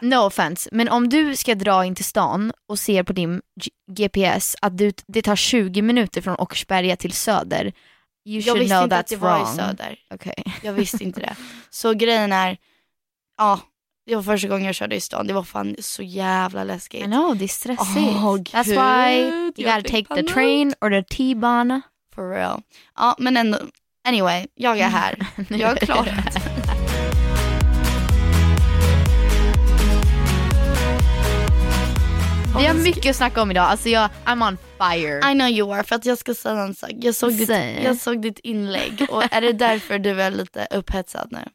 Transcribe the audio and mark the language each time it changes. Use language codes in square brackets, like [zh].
[en] No offense, [sv] men om du ska dra in till stan och ser på din GPS att du, det tar 20 minuter från Åkersberga till Söder. [en] You should know that's wrong. [sv] Jag visste inte att det var i Söder. [en] Okay. [sv] Jag visste inte det. Så grejen är, ja, det var första gången jag körde i stan, det var fan så jävla läskigt. [en] I know, [sv] det är stressigt. [en] Oh, that's why you gotta take the train or the T-bana. For real. [sv] Ja, men ändå, anyway, jag är här. Jag är klar. Vi har mycket att snacka om idag, alltså jag, [en] I'm on fire. I know you are, [sv] för att jag ska säga en sak. Jag såg ditt inlägg, och är det därför du är lite upphetsad nu?